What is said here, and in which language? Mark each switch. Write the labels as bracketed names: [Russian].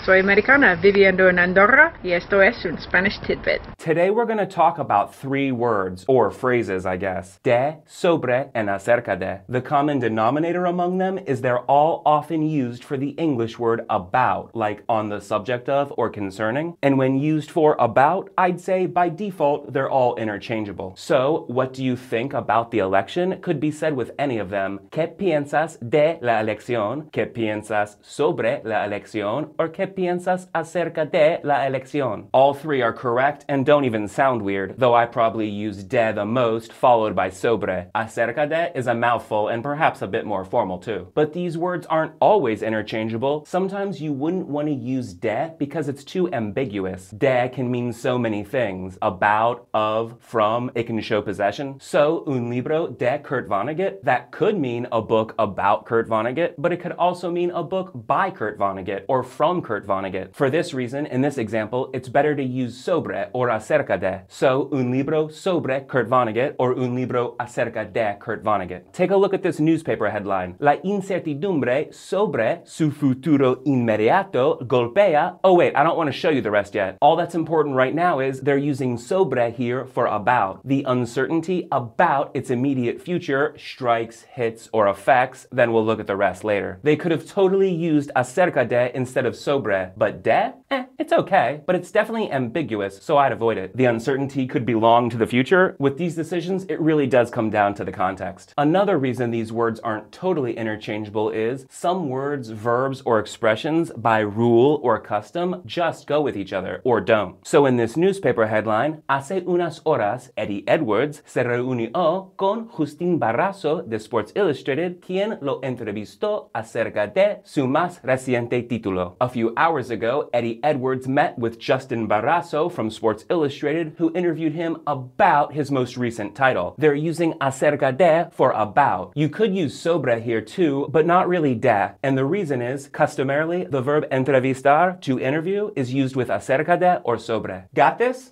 [Spanish] Soy americana, viviendo en Andorra, y esto es un Spanish tidbit. [English] Today we're going to talk about three words, or phrases, I guess. De, sobre, and acerca de. The common denominator among them is they're all often used for the English word about, like on the subject of or concerning. And when used for about, I'd say by default, they're all interchangeable. So, what do you think about the election? Could be said with any of them. [Spanish] ¿Qué piensas de la elección? ¿Qué piensas sobre la elección, or qué piensas acerca de la elección? [English] All three are correct and don't even sound weird, though I probably use de the most, followed by sobre. Acerca de is a mouthful and perhaps a bit more formal too. But these words aren't always interchangeable. Sometimes you wouldn't want to use de because it's too ambiguous. De can mean so many things. About, of, from, it can show possession. So, un libro de Kurt Vonnegut, that could mean a book about Kurt Vonnegut, but it could also mean a book by Kurt Vonnegut or from Kurt Vonnegut. For this reason, in this example, it's better to use sobre or acerca de. [Spanish] So, un libro sobre Kurt Vonnegut or un libro acerca de Kurt Vonnegut. [English] Take a look at this newspaper headline. [Spanish] La incertidumbre sobre su futuro inmediato golpea. [English] Oh wait, I don't want to show you the rest yet. All that's important right now is they're using sobre here for about. The uncertainty about its immediate future strikes, hits, or affects. Then we'll look at the rest later. They could have totally used acerca de instead of sobre, but de? It's okay, but it's definitely ambiguous, so I'd avoid it. The uncertainty could be long to the future. With these decisions, it really does come down to the context. Another reason these words aren't totally interchangeable is some words, verbs, or expressions by rule or custom just go with each other, or don't. [Spanish] So in this newspaper headline, hace unas horas, Eddie Edwards se reunió con Justin Barrazo de Sports Illustrated, quien lo entrevistó acerca de su más reciente título. [English] A few hours ago, Eddie Edwards met with Justin Barrazo from Sports Illustrated, who interviewed him about his most recent title. They're using acerca de for about. You could use sobre here too, but not really de. And the reason is, customarily, the verb entrevistar, to interview, is used with acerca de or sobre. Got this?